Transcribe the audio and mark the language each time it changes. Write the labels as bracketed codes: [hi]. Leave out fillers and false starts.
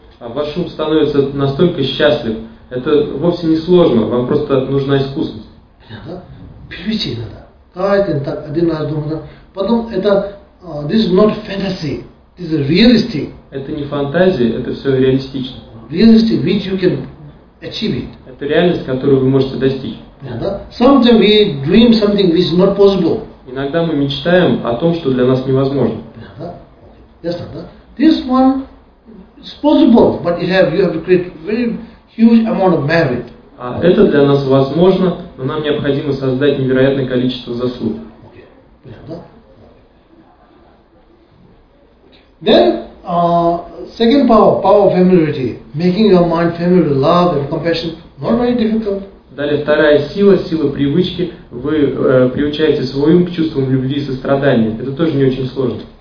[ru] А ваш ум становится настолько счастлив. Это вовсе не сложно, вам просто нужна искусность. Понятно? Привычки надо. Давайте так один раз думаю. Потом это, [en] this is not fantasy. This is realistic. [ru] Это не фантазия, это все реалистично. [en] Realistic, which you can achieve it. [ru] Это реальность, которую вы можете достичь. Понятно? [en] Sometimes we dream something which is not possible. [ru] Иногда мы мечтаем о том, что для нас невозможно. Понятно? Ясно, да? [en] This one is possible, but you have to create very huge amount of merit. [ru] А это для нас возможно, но нам необходимо создать невероятное количество заслуг. [en] Then second power of familiarity, making your mind familiar with love and compassion, not very difficult. [ru] Далее вторая сила привычки, вы приучаете свой ум к чувствам любви и сострадания. Это тоже не очень сложно.